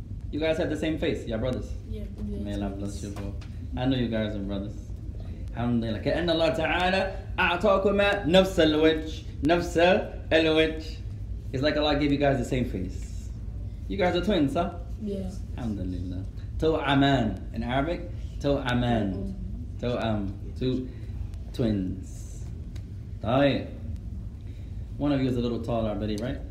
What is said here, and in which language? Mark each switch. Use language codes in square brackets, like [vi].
[en] You guys have the same face, yeah, brothers? Yeah. May Allah bless you both. I know you guys are brothers. Alhamdulillah. [ar] كأن الله تعالى أعطاكما نفس الوجه. نفس الوجه. [en] It's like Allah gave you guys the same face. You guys are twins, huh? Yes. Alhamdulillah. To'aman. In Arabic, to'aman. To'am. Two twins. طيب. One of you is a little taller, buddy, right?